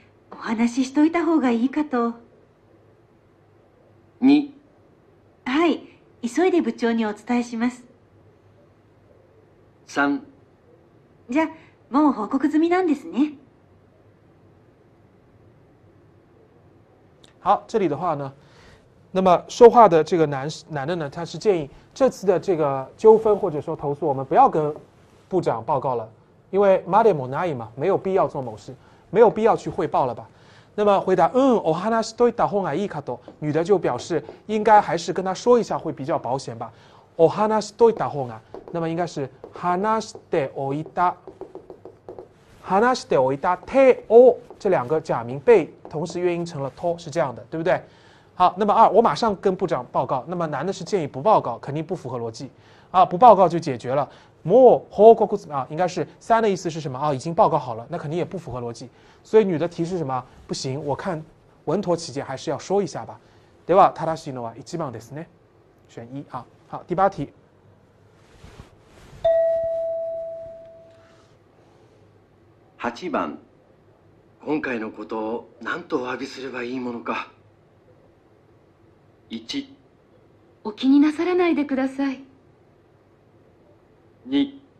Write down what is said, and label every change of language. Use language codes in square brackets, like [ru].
[ja] お話ししといた方がいいかと。 2。はい、急いで部長にお伝えします。 3。じゃ。もう報告済みなんですね。 [zh] 好，这里的话呢，那么说话的这个男的呢，他是建议这次的这个纠纷或者说投诉，我们不要跟部长报告了，因为マデモナイ嘛，没有必要做某事，没有必要去汇报了吧。那么回答 [ja] お話しといた方がいいかと， [zh] 女的就表示应该还是跟他说一下会比较保险吧。 [ja] お話しといた方が， [zh] 那么应该是 [ja] 話しておいた。 [zh] 話しておいた手を这两个假名被同时约音成了拖是这样的对不对好那么二我马上跟部长报告那么男的是建议不报告肯定不符合逻辑啊不报告就解决了 [ja] もう報告 [zh] 啊应该是三的意思是什么啊已经报告好了那肯定也不符合逻辑所以女的提示什么不行我看稳妥起见还是要说一下吧 [ja] では正しいのは一番ですね [zh] 选一啊好第八题 [ja] 8番今回のことを何とお詫びすればいいものか1 お気になさらないでください 2